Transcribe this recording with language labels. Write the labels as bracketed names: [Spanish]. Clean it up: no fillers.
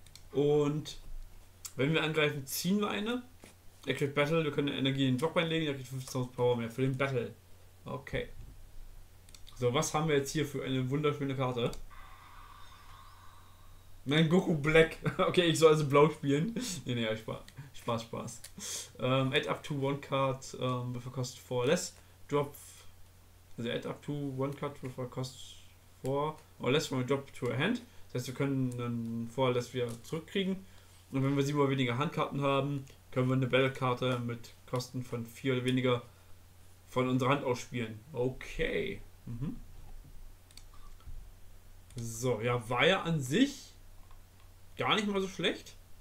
[German] Und wenn wir angreifen, ziehen wir eine. Er kriegt Battle, wir können Energie in den Jogbein legen, er kriegt 15.000 Power mehr für den Battle. Okay. So, was haben wir jetzt hier für eine wunderschöne Karte? Nein, Goku Black. Okay, ich soll also blau spielen. Nee, nee, Spaß, Spaß, Spaß. [English] Add up to one card with a cost four less. Drop. Also add up to one card with a cost four or less from a drop to a hand. [German] Das heißt, wir können dann [English] four or less [German] wieder zurückkriegen. Und wenn wir sieben oder weniger Handkarten haben, können wir eine Battle-Karte mit Kosten von vier oder weniger von unserer Hand aus spielen. Okay. So, ja, war ja an sich gar nicht mal so schlecht.